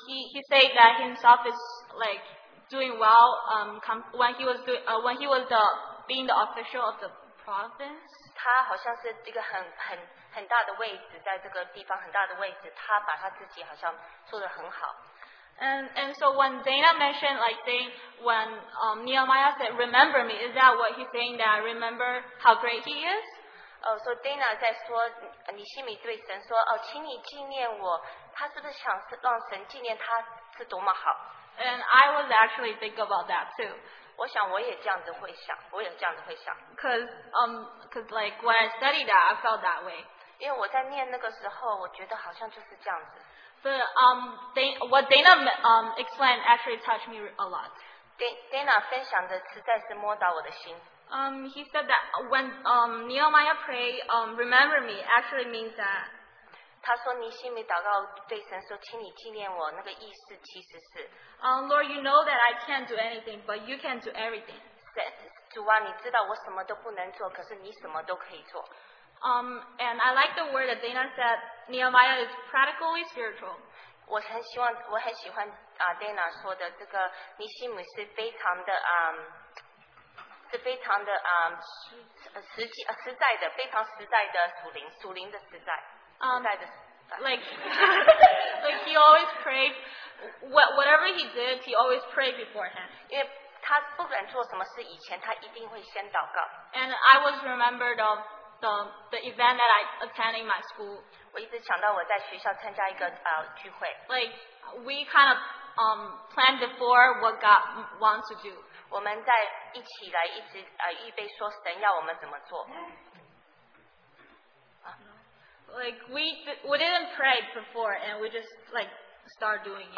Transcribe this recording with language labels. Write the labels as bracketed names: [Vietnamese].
[English] he said that himself is like doing well when he was being the official of the province. [Chinese] 他好像是一个很 很大的位置，在这个地方很大的位置，他把他自己好像做得很好。 [English] And so when Dana mentioned like saying when Nehemiah said remember me, is that what he's saying that remember how great he is? [Chinese] So Dana 在说，你心里对神说，哦，请你纪念我，他是不是想让神纪念他是多么好？ [English] And I was actually thinking about that too. [Chinese] 我想我也这样子会想，我也这样子会想。 [English] Cause cause like when I studied that, I felt that way. [Chinese] 因为我在念那个时候，我觉得好像就是这样子。 [English] But what Dana explained actually touched me a lot. [Chinese] Dana 分享的实在是摸到我的心。 [English] He said that when Nehemiah prayed, "Remember me," actually means that. [Chinese] 他说尼希米祷告对神说，请你纪念我，那个意思其实是。 [English] Lord, you know that I can't do anything, but you can do everything. [Chinese] 主啊，你知道我什么都不能做，可是你什么都可以做。 [English] And I like the word that Dana said, Nehemiah is practically spiritual. [Chinese] 我很喜欢 Dana 说的这个尼西米是非常的是非常的实际实在的非常实在的属灵的实在 [English] like he always prayed whatever he did he always prayed beforehand [Chinese] 因为他不管做什么事以前他一定会先祷告 [English] and I was remembered of the event that I attended in my school [Chinese] 我一直想到我在学校参加一个聚会 [English] like we kind of planned before what God wants to do [Chinese] 我们在一起来一直预备说神要我们怎么做 [English] Like we didn't pray before, and we just like start doing it.